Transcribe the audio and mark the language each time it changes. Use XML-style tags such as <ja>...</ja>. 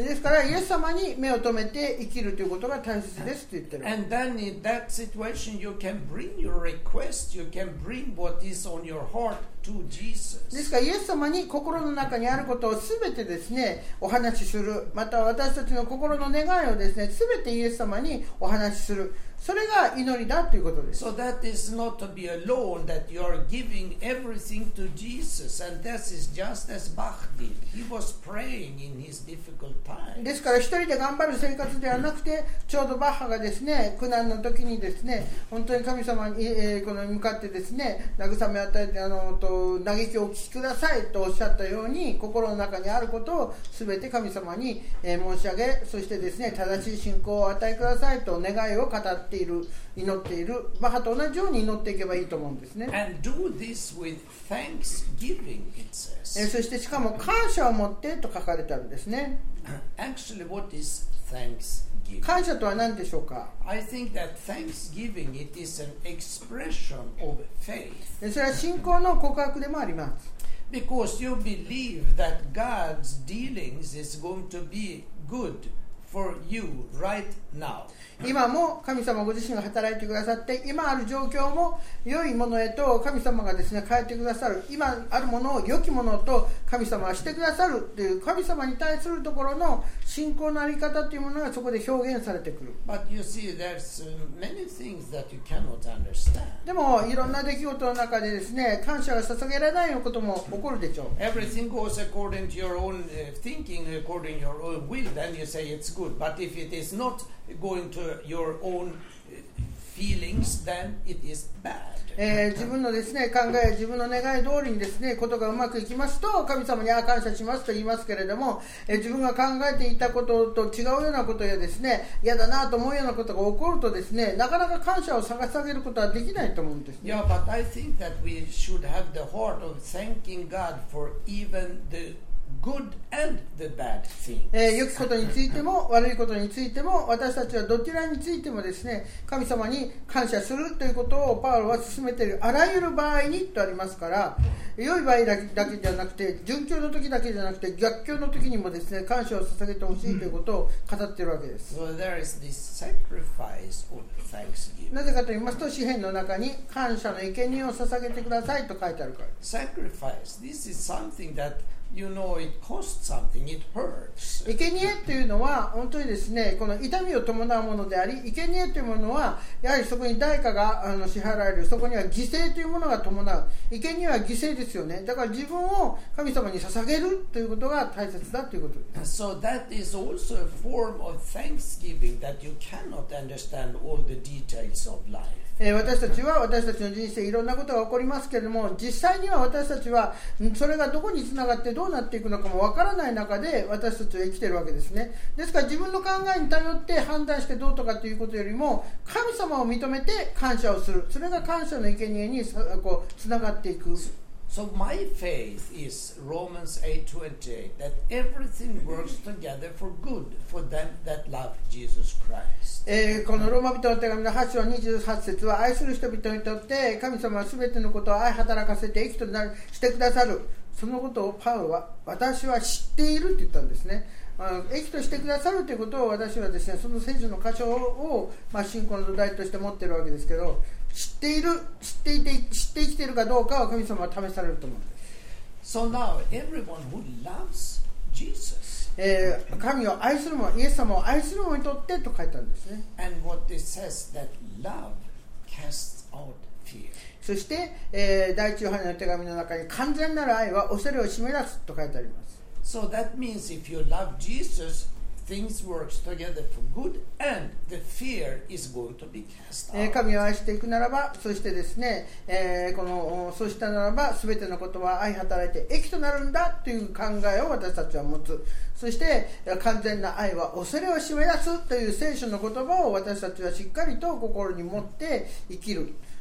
<ja>ですから、イエス様に目を留めて生きるということが大切ですと言ってる。</ja> <en>And then in that situation, you can bring your request, you can bring what is on your heart to Jesus.</en> <ja>ですから、イエス様に心の中にあることをすべてですね、お話しする。また私たちの心の願いをですね、すべてイエス様にお話しする。それが祈りだということです。</ja> <en>So that is not to be a loan that you are giving everything to Jesus, and this is just as Bach did. He was praying in his difficult time.</en> <ja>ですから一人で頑張る生活ではなくて、ちょうどバッハがですね、苦難の時にですね、本当に神様に、この向かってですね、慰め与えて、と嘆きをお聞きくださいとおっしゃったように、心の中にあることをすべて神様に、申し上げ、そしてですね、正しい信仰を与えくださいと願いを語っている祈っているバッハと同じように祈っていけばいいと思うんですね。</ja> <en>And do this with thanksgiving, it says.</en> <ja>そしてしかも感謝を持ってと書かれてあるんですね。</ja> <en>Actually, what is thanksgiving?</en> <ja>感謝とは何でしょうか。</ja> <en>I think that thanksgiving, it is an expression of faith.</en> <ja>それは信仰の告白でもあります。</ja> <en>Because you believe that God's dealings is going to be good for you right now.</en> <ja>今も神様ご自身が働いてくださって、今ある状況も良いものへと神様がですね、変えてくださる。今あるものを良きものと神様はしてくださるという、神様に対するところの信仰のあり方というものがそこで表現されてくる。</ja> <en>But you see, there's many things that you cannot understand.</en> <ja>でもいろんな出来事の中でですね、感謝が捧げられないことも起こるでしょう。</ja> <en>Everything goes according to your own thinking, according to your own will, then you say it's good. But if it is not going to your own feelings, then it is bad.</en> <ja>自分のですね、考え、自分の願い通りにですね、ことがうまくいきますと、神様に感謝しますと言いますけれども、自分が考えていたことと違うようなことやですね、嫌だなと思うようなことが起こるとですね、なかなか感謝を探し上げることはできないと思うんですね。</ja> <en>Yeah, but I think that we should have the heart of thanking God for even the good and the bad things.</en> <ja>良きことについても悪いことについても、私たちはどちらについてもですね、神様に感謝するということをパウロは進めている。あらゆる場合にとありますから、良い場合だけじゃなくて、順境の時だけじゃなくて、逆境の時にもですね、感謝を捧げてほしいということを語っているわけです。</ja> <en>So there is this sacrifice of thanksgiving.</en> <ja>なぜかと言いますと、詩篇の中に感謝の生贄を捧げてくださいと書いてあるから。</ja> <en>Sacrifice. This is something thatYou know, it costs something. It hurts.</en> <ja>生贄というのは本当にですね、この痛みを伴うものであり、生贄というものはやはりそこに代価が支払われる、そこには犠牲というものが伴う。生贄は犠牲ですよね。だから自分を神様に捧げるということが大切だということです。</ja> <en>So that is also a form of thanksgiving that you cannot understand all the details of life.</en> <ja>私たちは私たちの人生いろんなことが起こりますけれども、実際には私たちはそれがどこにつながってどうなっていくのかもわからない中で私たちは生きているわけですね。ですから自分の考えに頼って判断してどうとかということよりも、神様を認めて感謝をする、それが感謝の生贄にこうつながっていく。</ja> <en>So my faith is Romans 8:28 that everything works together for good for them that love Jesus Christ.</en> <ja>このローマ人の手紙の8章28節は、愛する人々にとって神様は全てのことを愛働かせて益となるしてくださる、そのことをパウロは私は知っていると言ったんですね。益としてくださるということを私はですね、その聖書の箇所を、まあ、信仰の土台として持っているわけですけど、知っている、知っていて、知って生きているかどうかは神様は試されると思うんです。</ja> <en>So now everyone who loves Jesus</en> <ja>イエス様を愛する者にとってと書いてあるんですね。</ja> <en>And what it says that love casts out fear.</en> <ja>そして、第一ヨハネの手紙の中に完全なる愛は恐れを締め出すと書いてあります。</ja> <en>So that means if you love Jesus, things works together for good and the fear is going to be cast out.</en> <ja>神を愛していくならば、そしてですね、このそうしたならば全てのことは愛働いて益となるんだという考えを私たちは持つ。そして完全な愛は恐れを締め出すという聖書の言葉を私たちはしっかりと心に持って生きる。</ja>